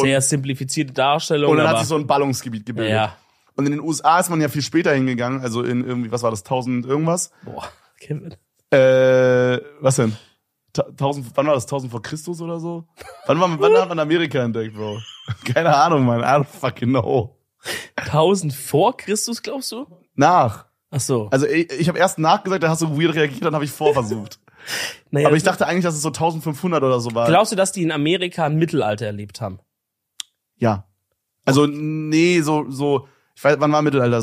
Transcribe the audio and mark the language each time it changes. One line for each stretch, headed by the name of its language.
German: Sehr simplifizierte Darstellung. Und dann hat sich so ein Ballungsgebiet gebildet. Ja. Und in den USA ist man ja viel später hingegangen, also in irgendwie, was war das, 1000 irgendwas? Boah, Kevin. Was denn? 1000, wann war das? 1000 vor Christus oder so? Wann hat man Amerika entdeckt, Bro? Keine Ahnung, man.
English: I don't fucking know.
German: 1000 vor Christus, glaubst du? Nach. Ach so. Also ich habe erst nachgesagt, da hast du weird reagiert, dann habe ich vorversucht. Naja, aber ich dachte eigentlich, dass es so 1500 oder so war. Glaubst du, dass die in Amerika im Mittelalter erlebt haben? Ja. Also, nee, so ich weiß, wann war Mittelalter?